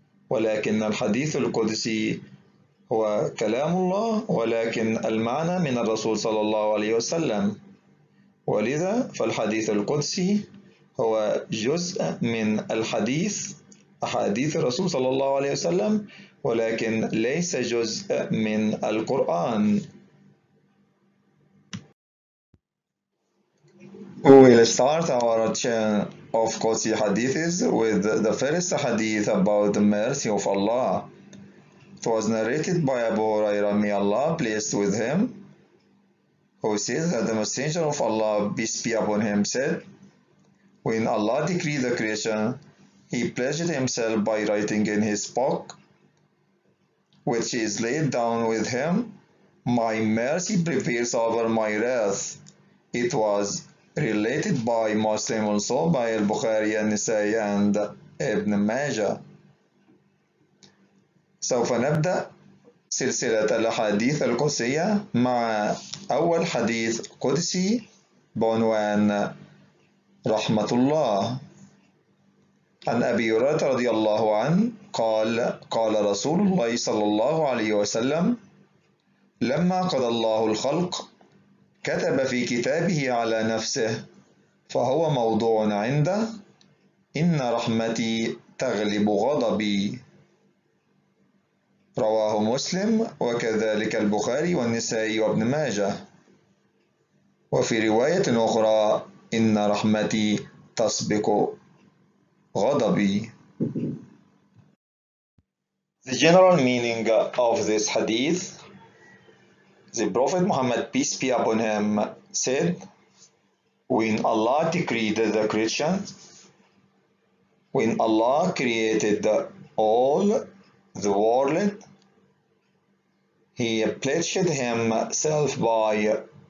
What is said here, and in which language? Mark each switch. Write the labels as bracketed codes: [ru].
[ar] ولكن الحديث القدسي هو كلام الله ولكن المعنى من الرسول صلى الله عليه وسلم ولذا فالحديث القدسي هو جزء من الحديث أحاديث الرسول صلى الله عليه وسلم ولكن ليس جزء من القرآن [en] We will start our chain of Qudsi hadiths with the first hadith about the mercy of Allah. It was narrated by Abu Huraira, may Allah pleased with him, who says that the Messenger of Allah, peace be upon him, said, When Allah decreed the creation, He pledged himself by writing in his book, which is laid down with him, My mercy prevails over my wrath. It was related by Muslim also by Al-Bukhari and Nisa'i and Ibn Majah. [ar] سوف نبدأ سلسلة الأحاديث القدسية مع أول حديث قدسي بعنوان رحمة الله. عن أبي هريرة رضي الله عنه قال: قال رسول الله صلى الله عليه وسلم: لما قضى الله الخلق كتب في كتابه على نفسه فهو موضوع عنده إن رحمتي تغلب غضبي. رواه مسلم وكذلك البخاري والنسائي وابن ماجه. وفي رواية أخرى: إن رحمتي تسبق غضبي. [en] The general meaning of this hadith: the Prophet Muhammad, peace be upon him, said, when Allah decreed the creation, when Allah created all the world, he pledged himself by